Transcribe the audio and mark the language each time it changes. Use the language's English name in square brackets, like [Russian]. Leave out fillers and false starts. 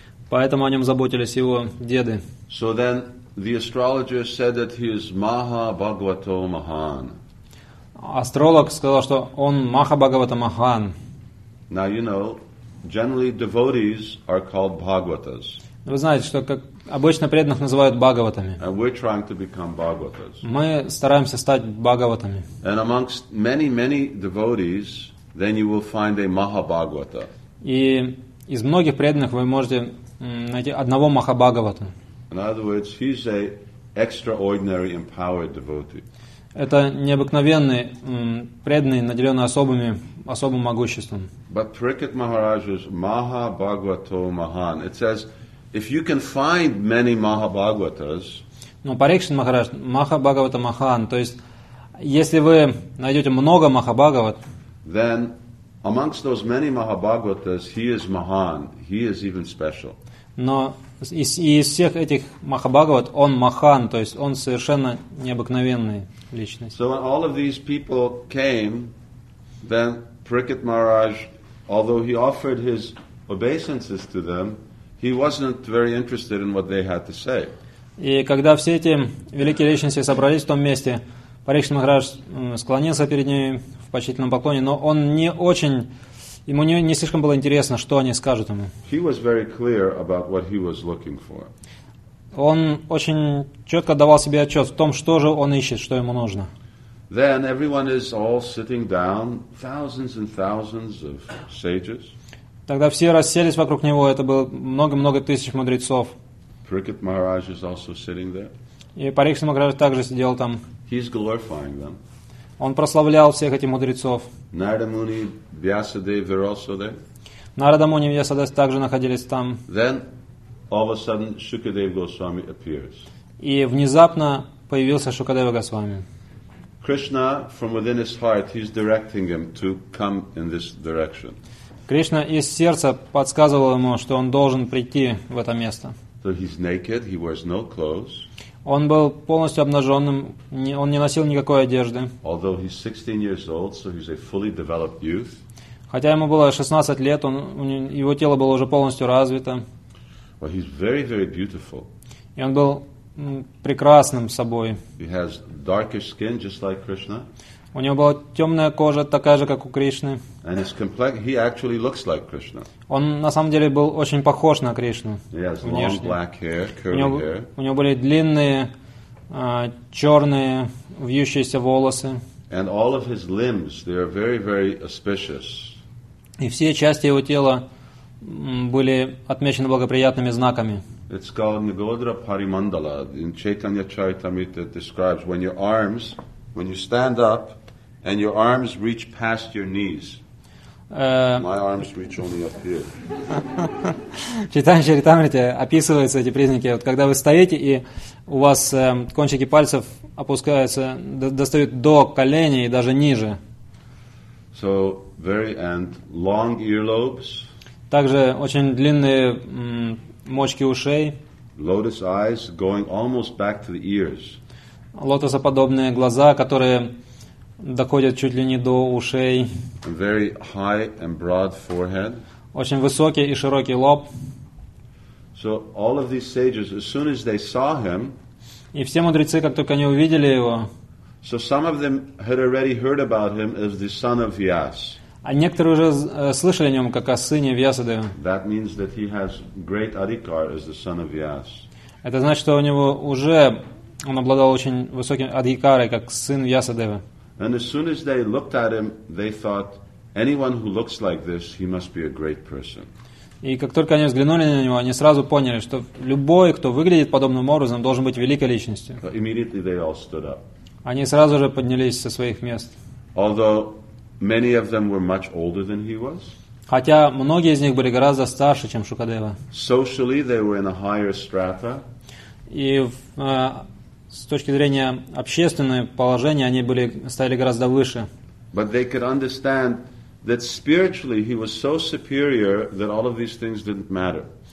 [Russian] Поэтому о нем заботились его деды. [English] So then the astrologer said that he is Maha Bhagavato Mahan. [Russian] Астролог сказал, что он Маха Бхагавата Махан. [English] Now you know, generally devotees are called Bhagavatas. [Russian] Вы знаете, что как обычно преданных называют Бхагаватами. [English] And we're trying to become Bhagavatas. [Russian] Мы стараемся стать Бхагаватами. [English] And amongst many, many devotees, then you will find a Mahabhagavata. [Russian] И из многих преданных вы можете найти одного Махабхагавату. [English] In other words, he's an extraordinary empowered devotee. [Russian] Это необыкновенный преданный, наделенный особым могуществом. [English] But Parikshit Maharaj is Maha Bhagavato Mahan. It says, if you can find many Maha Bhagavatas. [Russian] Но Парикшит Махарадж Маха Бхагавата Махан. То есть, если вы найдете много Маха Бхагават, [English] then amongst those many Маха Бхагаватас, he is Mahan. He is even special. [Russian] Но из всех этих Махабхагават он Махан, то есть он совершенно необыкновенная личность. [English] So when all of these people came, then Parikshit Maharaj, although he offered his obeisances to them, he wasn't very interested in what they had to say. [Russian] И когда все эти великие личности собрались в том месте, Парикшит Махарадж склонился перед ними в почтительном поклоне, но он не очень Ему не слишком было интересно, что они скажут ему. [English] He was very clear about what he was looking for. [Russian] Он очень четко давал себе отчет в том, что же он ищет, что ему нужно. [English] Then everyone is all sitting down, thousands and thousands of sages. [Russian] Тогда все расселись вокруг него, это было много-много тысяч мудрецов. [English] Prikrit Maharaj is also sitting there. [Russian] И Парикшит Махарадж также сидел там. [English] He's glorifying them. [Russian] Он прославлял всех этих мудрецов. [English] Narada Muni, Vyasadeva were also there. [Russian] Narada Muni и Vyasadeva также находились там. [English] Then, all of a sudden, Shukadeva Goswami appears. [Russian] И внезапно появился Шукадева Госвами. [English] Krishna, from within his heart, he's directing him to come in this direction. [Russian] Кришна из сердца подсказывал ему, что он должен прийти в это место. [English] So he's naked, he wears no clothes. [Russian] Он был полностью обнаженным, он не носил никакой одежды. [English] Although he's 16 years old, so he's a fully developed youth. [Russian] Хотя ему было 16 лет, его тело было уже полностью развито. [English] Well, he's very, very beautiful. [Russian] И он был прекрасным собой. [English] He has darkish skin, just like Krishna. [Russian] У него была темная кожа, такая же, как у Кришны. [English] And his he actually looks like Krishna. [Russian] Он на самом деле был очень похож на Кришну. [English] He has long black hair, curly [Russian] У него были длинные, черные, вьющиеся волосы. [English] And all of his limbs, they are very, very auspicious. [Russian] И все части его тела были отмечены благоприятными знаками. [English] It's called Nigodra Parimandala. In Chaitanya Charitamrita it describes when your arms, when you stand up, and your arms reach past your knees. My arms reach only up here. [Russian] Читание Чаритамриты описывается эти признаки. Вот когда вы стоите, и у вас кончики пальцев опускаются, достают до коленей и даже ниже. [English] So, very and long earlobes. [Russian] Также очень длинные мочки ушей. [English] Lotus eyes going almost back to the ears. [Russian] Лотосоподобные глаза, которые доходят чуть ли не до ушей. [English] Very high and broad forehead. [Russian] Очень высокий и широкий лоб. [English] So all of these sages, as soon as they saw him, [Russian] и все мудрецы, как только они увидели его, [English] so some of them had already heard about him as the son of Vyas. [Russian] А некоторые уже слышали о нем как о сыне Вьясадевы. [English] That means that he has great adhikar as the son of Vyas. [Russian] Это значит, что у него уже он обладал очень высоким адхикарой, как сын Вьясадевы. [English] And as soon as they looked at him, they thought, anyone who looks like this, he must be a great person. [Russian] И как только они взглянули на него, они сразу поняли, что любой, кто выглядит подобным образом, должен быть великой личностью. [English] So immediately they all stood up. [Russian] Они сразу же поднялись со своих мест. [English] Although many of them were much older than he was. [Russian] Хотя многие из них были гораздо старше, чем Шукадева. [English] Socially they were in a higher strata. [Russian] И с точки зрения общественного положения они были стояли гораздо выше. [English] But they could understand that spiritually he was so superior that all of these things didn't matter.